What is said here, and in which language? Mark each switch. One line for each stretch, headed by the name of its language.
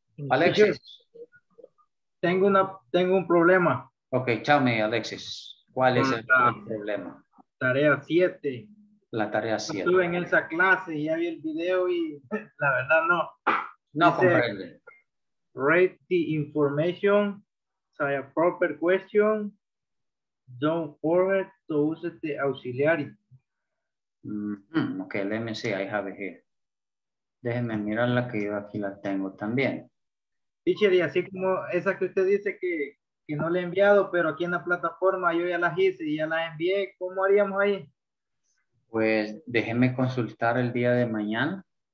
Spanish: Alexis, tengo un problema. Ok,
English: tell me,
Spanish: Alexis, ¿cuál es el problema? Tarea 7. La tarea 7. Estuve en esa clase y ya vi el video y la verdad no. No dice, comprende.
English: Rate the information, say a proper question, don't forget to use the auxiliary. Mm-hmm. Ok, let me see, I have it here.
Spanish: Déjenme mirar la que yo aquí la tengo también. Teacher, y así como esa que usted dice que no le he enviado, pero aquí en la plataforma yo ya las hice y ya las envié, ¿cómo haríamos ahí? Pues déjeme consultar el día de mañana.